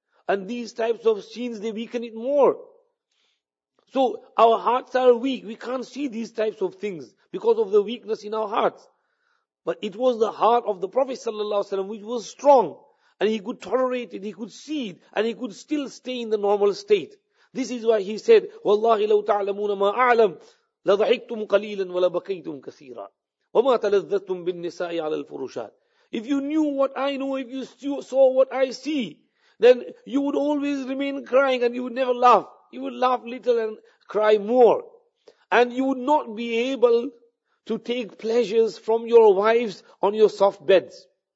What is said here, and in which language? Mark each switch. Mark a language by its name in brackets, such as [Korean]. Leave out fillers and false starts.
[English] And these types of scenes, they weaken it more. So our hearts are weak. We can't see these types of things because of the weakness in our hearts. But it was the heart of the Prophet ﷺ which was strong. And he could tolerate it, he could see it, and he could still stay in the normal state. This is why he said, [Arabic] وَاللَّهِ لَوْ تَعْلَمُونَ مَا أَعْلَمْ لَضَحِكْتُمْ قَلِيلًا وَلَبَكَيْتُمْ كَثِيرًا وَمَا تَلَذَّتُمْ بِالنِّسَاءِ عَلَى الْفُرُشَاتِ. [English] If you knew what I know, if you saw what I see, then you would always remain crying and you would never laugh. You would laugh little and cry more. And you would not be able to take pleasures from your wives on your soft beds.